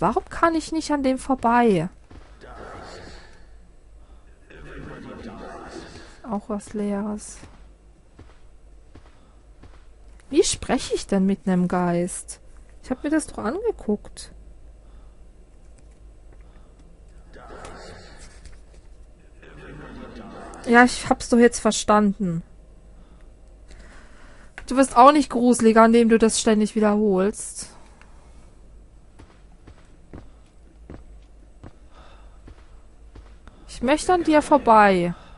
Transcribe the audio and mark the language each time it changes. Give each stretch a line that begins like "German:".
German: Warum kann ich nicht an dem vorbei? Auch was Leeres. Wie spreche ich denn mit einem Geist? Ich habe mir das doch angeguckt.
English: Everybody dies. Everybody dies.
German: Ja, ich hab's doch jetzt verstanden. Du wirst auch nicht gruseliger, indem du das ständig wiederholst. Ich möchte an dir vorbei.